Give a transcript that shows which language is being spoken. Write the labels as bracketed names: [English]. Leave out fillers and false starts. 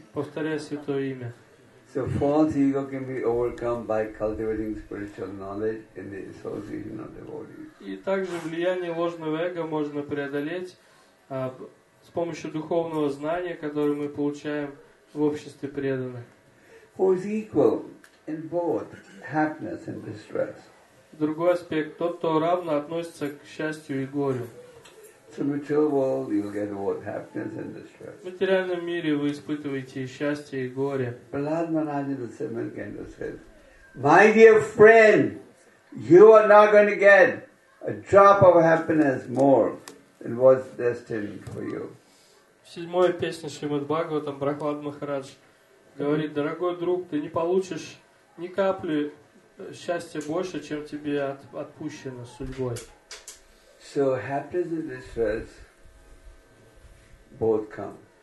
[Russian] Повторяя святое имя. [English] So false ego can be overcome by cultivating spiritual knowledge in the association of devotees. [Russian] И также влияние ложного эго можно преодолеть с помощью духовного знания, которое мы получаем в обществе преданных. [English] Who is equal in both happiness and distress? [Russian] Другой аспект: тот, кто равно относится к счастью и горю. [English] So in the material world, you'll get both happiness and distress. [Russian] В материальном мире вы испытываете счастье и горе. [English] Prahlad Maharaj in the seventh canto says, "My dear friend, you are not going to get a drop of happiness more than what's destined for you." [Russian] В седьмой песне Шримад Бхагаватам Прахлад Махарадж говорит: "Дорогой друг, ты не получишь ни капли счастья больше, чем тебе отпущено судьбой." [English] So happiness and distress both come.